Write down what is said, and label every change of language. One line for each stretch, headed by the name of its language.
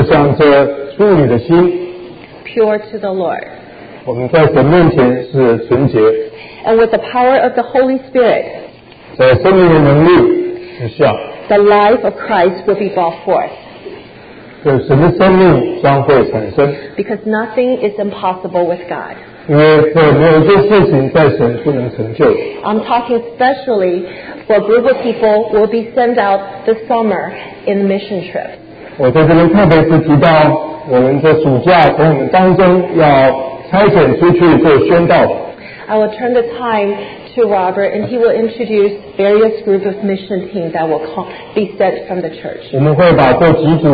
Chinese: 我们有一个就像这处女的心
English: pure to the Lord.
Chinese: 我们在神面前是纯洁
English: and with the power of the Holy Spirit
Chinese: 在生命的能力之下
English: the life of Christ will be brought forth.
Chinese: 对神的生命将会产生
English: because nothing is impossible with God.
Chinese: 因为没有一件事情在神不能成就
English: I'm talking specially for a group of people will be sent out this summer in the mission trip.
Chinese: 我在这边特别是提到 我们在暑假从我们当中要拆解出去做宣道
English: I will turn the time to Robert and he will introduce various groups of mission teams that will be sent from the church.